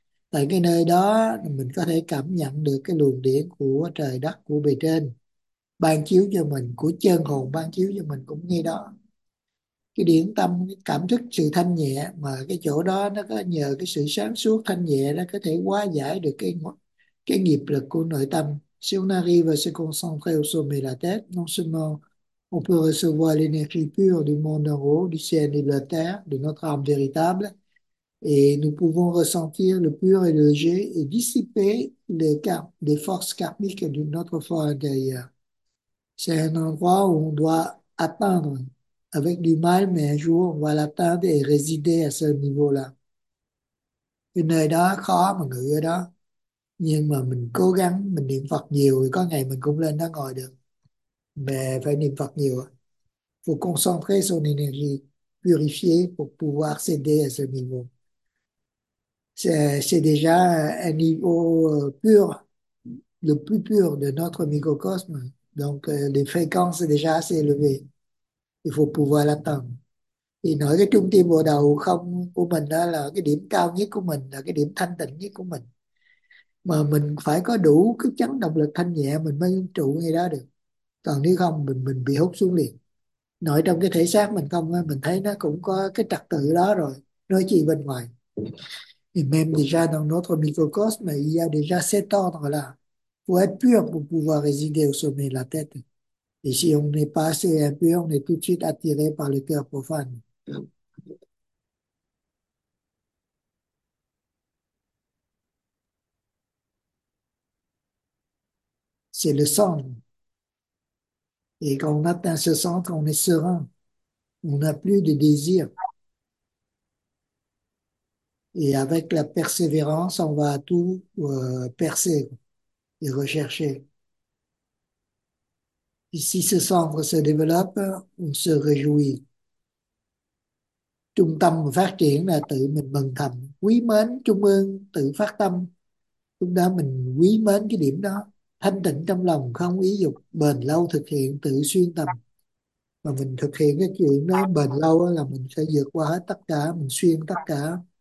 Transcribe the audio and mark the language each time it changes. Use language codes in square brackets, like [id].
[vi] Tại cái nơi đó mình có thể cảm nhận được cái luồng điển của trời đất của bề trên ban chiếu cho mình, của chân hồn ban chiếu cho mình cũng ngay đó. Cái điển tâm, cái cảm thức sự thanh nhẹ mà cái chỗ đó nó có nhờ cái sự sáng suốt thanh nhẹ nó có thể hóa giải được cái nghiệp lực của nội tâm. [fr] Si on arrive à se concentrer au sommet de la tête, non seulement on peut recevoir l'énergie pure du monde en haut, du ciel et de la terre, de notre âme véritable, et nous pouvons ressentir le pur et le léger et dissiper les forces karmiques de notre fort intérieur. C'est un endroit où on doit attendre avec du mal, mais un jour on va l'atteindre et résider à ce niveau-là. [vi] Une nơi đó khó mà người ở đó. Nhưng mà mình cố gắng, mình niệm Phật nhiều thì có ngày mình cũng lên đó ngồi được. Mẹ phải niệm Phật nhiều. [fr] Faut concentrer son énergie purifiée pour pouvoir céder à ce niveau. C'est déjà un niveau pur, le plus pur de notre microcosme. Donc les fréquences sont déjà assez élevées. Il faut pouvoir l'atteindre. [vi] Thì nói cái trung tâm bộ đầu không của mình đó là cái điểm cao nhất của mình, là cái điểm thanh tịnh nhất của mình. Mà mình phải có đủ cái chấn động lực thanh nhẹ mình mới trụ ngay đó được. Còn nếu không mình bị hút xuống liền. Nội trong cái thể xác mình không, mình thấy nó cũng có cái trật tự đó rồi. Nói chi bên ngoài. [fr] Et même déjà dans notre microcosme, il y a déjà cet ordre là pour être pur, pour pouvoir résider au sommet de la tête. Et si on n'est pas assez impur, on est tout de suite attiré par le cœur profane. C'est le centre. Et quand on atteint ce centre, on est serein. On n'a plus de désir. Et avec la persévérance, on va tout percer et rechercher. Et si ce centre se développe, on se réjouit. [vi] Trung tâm phát triển là tự mình mừng thầm, quý mến trung ương tự phát tâm. Lúc đó mình quý mến cái điểm đó. Thanh tịnh trong lòng, không ý dục, bền lâu thực hiện tự xuyên tâm. Mà mình thực hiện cái chuyện đó bền lâu là mình sẽ vượt qua hết tất cả, mình xuyên tất cả.